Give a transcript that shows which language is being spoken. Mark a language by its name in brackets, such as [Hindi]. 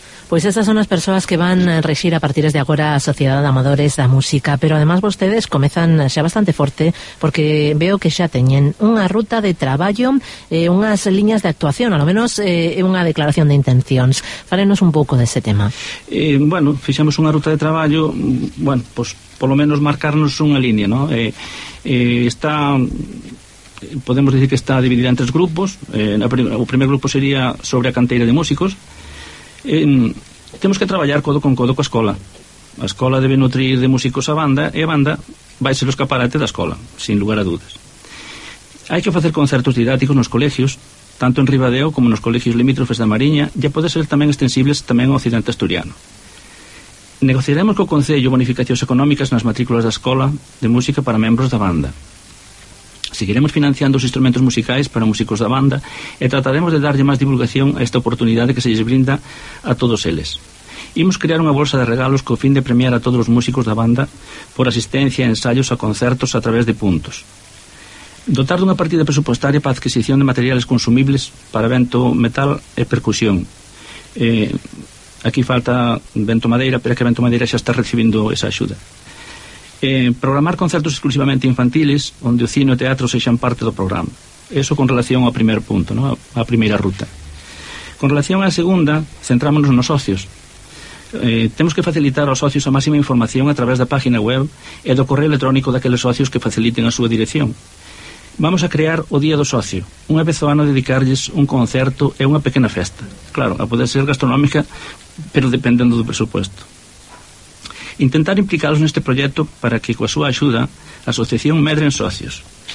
[Galician] Pues esas son as persoas que van rexir a partir de agora a Sociedade de Amadores da Música, pero además vostedes comezan xa bastante forte, porque veo que xa teñen unha ruta de traballo, unhas liñas de actuación, alo menos unha declaración de intencións. Fálenos un pouco dese tema. Bueno, fixamos unha ruta de traballo, bueno, pues polo menos marcarnos unha línea, ¿no? [Spanish] Está, podemos decir que está dividida en tres grupos. [Galician] O primer grupo sería sobre a canteira de músicos. Temos que traballar codo con codo coa escola. A escola debe nutrir de músicos a banda, e a banda vai ser o escaparate da escola, [Spanish] sin lugar a dudas. [Galician] Hai que facer concertos didáticos nos colegios, tanto en Ribadeo como nos colegios limítrofes da Mariña, e pode ser tamén extensibles tamén ao occidente asturiano. Negociaremos co Concello bonificacións económicas nas matrículas da escola de música para membros da banda. Seguiremos financiando os instrumentos musicais para músicos da banda e trataremos de darlle máis divulgación a esta oportunidade que se lles brinda a todos eles. Imos crear unha bolsa de regalos co fin de premiar a todos os músicos da banda por asistencia e ensaios a concertos a través de puntos. Dotar dunha partida presupuestaria para adquisición de materiales consumibles para vento metal e percusión. Aquí falta vento madeira, pero é que vento madeira xa está recibindo esa axuda. Programar concertos exclusivamente infantiles onde o cine e o teatro sexan parte do programa. Eso con relación ao primeiro punto, ¿no? A primeira ruta. Con relación á segunda, centrámonos nos socios. Temos que facilitar aos socios a máxima información a través da página web e do correo electrónico daqueles socios que faciliten a súa dirección. Vamos a crear o Día do Socio, unha vez ao ano dedicarlles un concerto e unha pequena festa. Claro, a poder ser gastronómica, pero dependendo do presupuesto. Intentar implicarlos neste proxecto para que coa súa axuda a asociación medre en socios.